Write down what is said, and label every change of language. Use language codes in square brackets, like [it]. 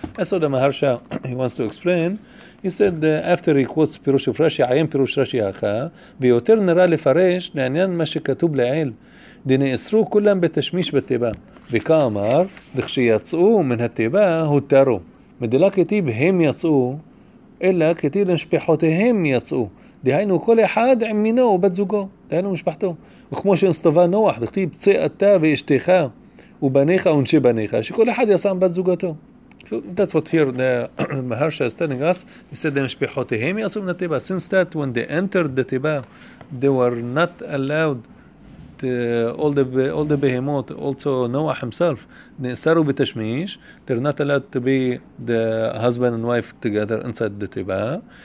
[en] I saw the Maharsha, he wants to explain. He said, after he quotes Pirush of Rashi, I am Pirush Rashi Acha, [he] ויותר נראה לפרש לעניין מה שכתוב לעיל, דנאסרו כולם בתשמיש בתיבה. וכאמר, דכשיצאו מן התיבה, הותרו. מדלה כתיב הם יצאו, אלא כתיב למשפחותיהם יצאו. דהיינו כל אחד עם מינו ובת זוגו, דהיינו משפחתו. וכמו שנסתובה נוח, דכתיב צא אתה ואשתך, ובניך ונשי בניך, שכל אחד יעשה עם בת זוגתו. [en] So that's what here the Maharsha is telling us. He said, [he] "Mishpichotehem yasum na teba." [en] Since that, when they entered the teba, they were not allowed to, all the behemoth, also Noah himself. Nesaru b'tashmish. They're not allowed to be the husband and wife together inside the teba.